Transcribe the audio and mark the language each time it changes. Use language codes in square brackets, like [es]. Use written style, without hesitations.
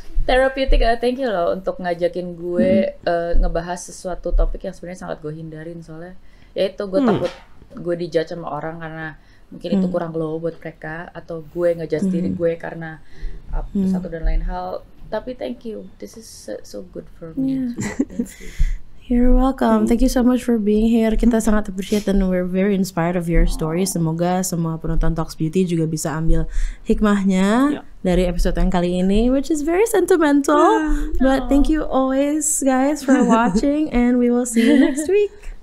[id] Therapeutic, [en] thank you [id] loh untuk ngajakin gue ngebahas sesuatu topik yang sebenarnya sangat gue hindarin, soalnya yaitu gue takut gue dijudge sama orang karena mungkin itu kurang low buat mereka, atau gue ngejudge diri gue karena satu dan lain hal. Tapi [en] thank you, this is so good for me. You're welcome. Thank you so much for being here. [id] Kita sangat [en] appreciate and we're very inspired of your story. [id] Semoga semua penonton Talks Beauty juga bisa ambil hikmahnya dari episode yang kali ini, [en] which is very sentimental. But thank you always guys for watching and we will see you next week.